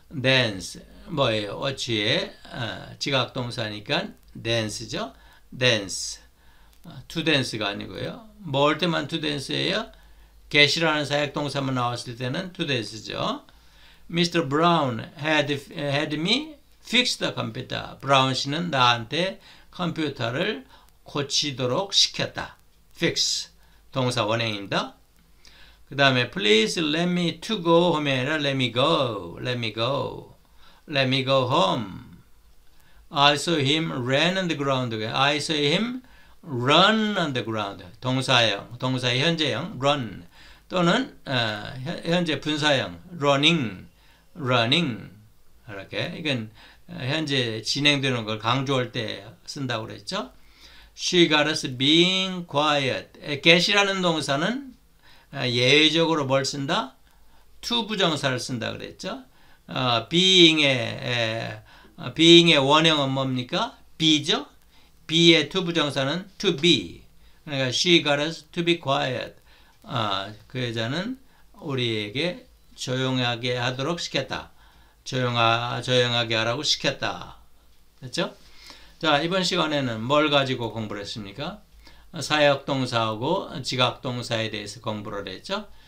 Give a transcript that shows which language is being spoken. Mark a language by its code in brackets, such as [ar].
[ko] dance, 뭐예요? watch의 직역동사니까 dance죠? dance. to dance가 아니고요. 뭘뭐 때만 to dance예요? get이라는 사역동사만 나왔을 때는 to dance죠. [en] Mr. Brown had me fix the computer. [ko] 브라운 씨는 나한테 컴퓨터를 고치도록 시켰다. fix. 동사 원형입니다. 그 다음에 [en] please let me to go home. let me go. let me go. Let me go home. I saw him ran on the ground. I saw him run on the ground. [ko] 동사형, 동사의 현재형, run. 또는 현재 분사형, running, running. 이렇게. 이건 현재 진행되는 걸 강조할 때 쓴다고 그랬죠. [en] She got us being quiet. [ko] get이라는 동사는 예외적으로 뭘 쓴다? to 부정사를 쓴다 그랬죠. being의 원형은 뭡니까? be죠. be의 to 부정사는 [en] to be. [ko] 그러니까 [en] she got us to be quiet. [ko] 그 여자는 우리에게 조용하게 하도록 시켰다. 조용하게 하라고 시켰다. 됐죠? 자, 이번 시간에는 뭘 가지고 공부를 했습니까? 사역동사하고 지각동사에 대해서 공부를 했죠?